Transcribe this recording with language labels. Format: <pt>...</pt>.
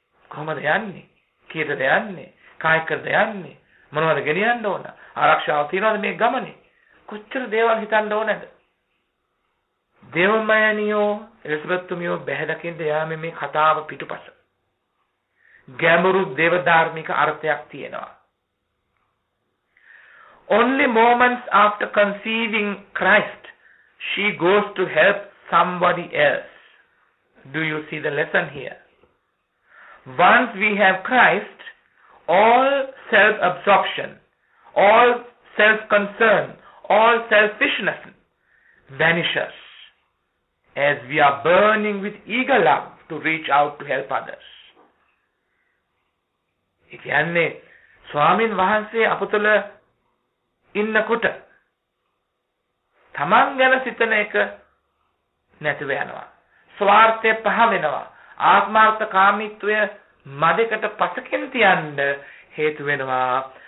<si>කොහමද යන්නේ? කීයටද යන්නේ? කායකද යන්නේ? මොනවද ගෙනියන්න ඕන? ආරක්ෂාව තියනවද මේ ගමනේ? කොච්චර දේවල් හිතන්න ඕනද? දේවමයනියෝ එලිසබෙත්තුමියෝ බැහැදකින්ද යාමේ මේ කතාව පිටුපස ගැඹුරු දේවධාර්මික අර්ථයක් තියෙනවා.</si> <en>Only moments after conceiving Christ, she goes to help somebody else. Do you see the lesson here? Once we have Christ, all self-absorption, all self-concern, all selfishness vanishes as we are burning with eager love to reach out to help others.</en> <si>ඒ කියන්නේ ස්වාමින් වහන්සේ අපතල ඉන්නකොට තමන් ගැන සිතන එක නැතිව යනවා. ස්වార్థය පහ වෙනවා. ආත්මార్థකාමීත්වය මදෙකට පසකින් තියන්න හේතු වෙනවා.</si>